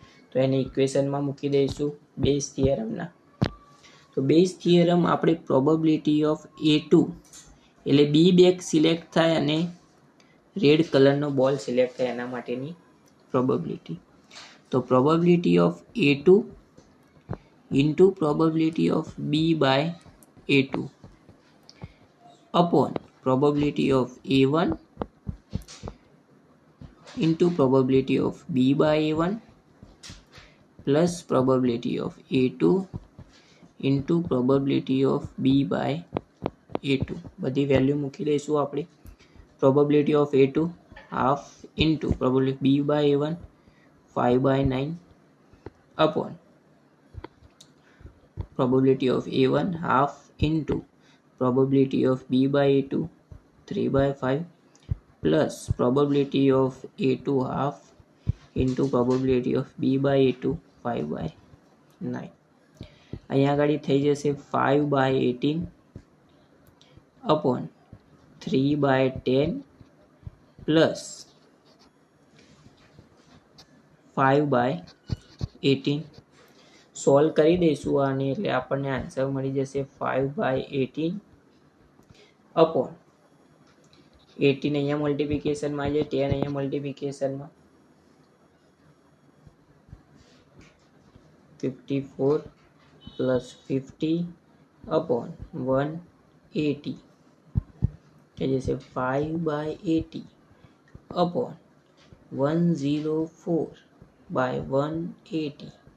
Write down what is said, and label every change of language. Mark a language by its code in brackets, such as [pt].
[gu] તો એને ઇક્વેશનમાં મૂકી દઈશું બેઝ થિયરમના. તો બેઝ થિયરમ આપણે પ્રોબેબિલિટી ઓફ એ ટુ એટલે બી બેગ સિલેક્ટ થાય અને રેડ કલરનો બોલ સિલેક્ટ થાય એના માટેની પ્રોબેબિલિટી. તો [en] Probability of A two into probability of B by A two upon probability of A one into probability of B by A1 plus probability of A2 into probability of B by A2. [gu] બધી value મૂકી દઈશું આપણે. [en] probability of A2 half into probability B by A1 5 by 9 upon probability of A1 half into probability of B by A2 3 by 5 plus probability of A2 half into probability of B by A2 5 by 9. [gu] અહીંયા આગળ થઈ જશે 5 by 18 upon 3 by 10 plus 5 by 18. Solve કરી દઈશું આને એટલે આપણને answer મળી જશે 5 by 18 upon 18 અહીંયા મલ્ટિપ્લિકેશનમાં છે, 10 અહીંયા મલ્ટિપ્લિકેશનમાં, 54 પ્લસ 50 અપોન 180 કે જેસે 5 બાય 80 અપોન 104 બાય 180.